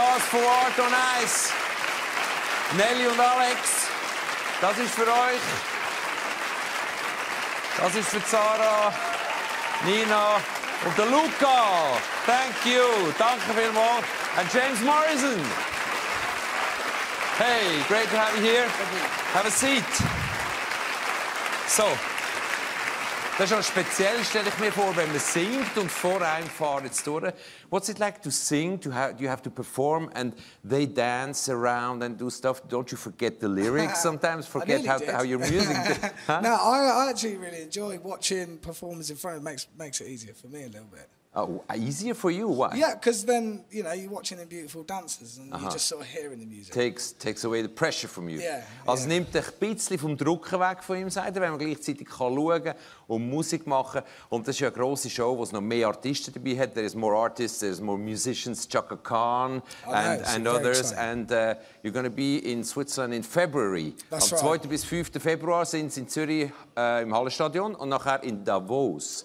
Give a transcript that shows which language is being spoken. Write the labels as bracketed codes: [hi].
[de] Von Artonice, Nelly und Alex, das ist für euch, das ist für Sarah, Nina und der Luca. [en] Thank you, [de] danke vielmals. Und James Morrison. [en] Hey, great to have you here. Have a seat. So, [de] Das ist auch speziell, stelle ich mir vor, wenn man singt und vor einem fahren jetzt durch. [en] What's it like to sing, to do you have to perform and they dance around and do stuff? Don't you forget the lyrics sometimes? Forget how your music did. Huh? No, I actually really enjoy watching performers in front. It makes it easier for me a little bit. Oh, easier for you? Why? Yeah, because then, you know, you're watching the beautiful dancers and you're just sort of hearing the music. Takes away the pressure from you. Yeah. [de] Also nimmt ein bisschen vom Druck weg von ihm, sagt er, wenn man gleichzeitig schauen kann und Musik machen. Und das ist ja eine grosse Show, wo es noch mehr Artisten dabei hat. [en] There is more artists, there is more musicians, Chaka Khan and others. And you're going to be in Switzerland in February. That's [de] am 2. bis 5. Februar sind sie in Zürich im Hallenstadion und nachher in Davos.